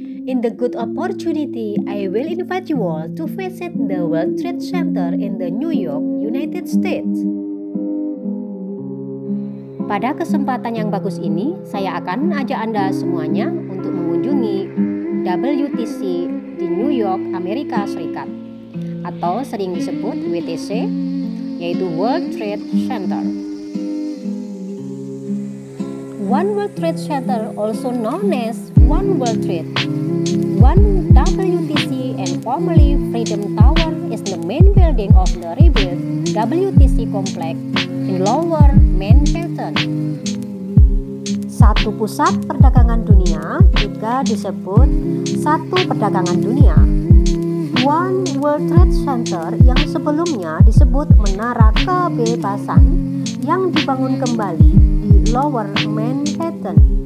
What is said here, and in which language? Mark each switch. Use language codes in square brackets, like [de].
[en] In the good opportunity, I will invite you all to visit the World Trade Center in the New York, United States. [id] Pada kesempatan yang bagus ini, saya akan ajak Anda semuanya untuk mengunjungi WTC di New York, Amerika Serikat, atau sering disebut WTC, yaitu World Trade Center. [en] One World Trade Center, also known as One World Trade, One WTC, and formerly Freedom Tower, is the main building of the rebuilt WTC complex in Lower Manhattan. [id] Satu pusat perdagangan dunia juga disebut satu perdagangan dunia. One World Trade Center yang sebelumnya disebut Menara Kebebasan yang dibangun kembali di Lower Manhattan.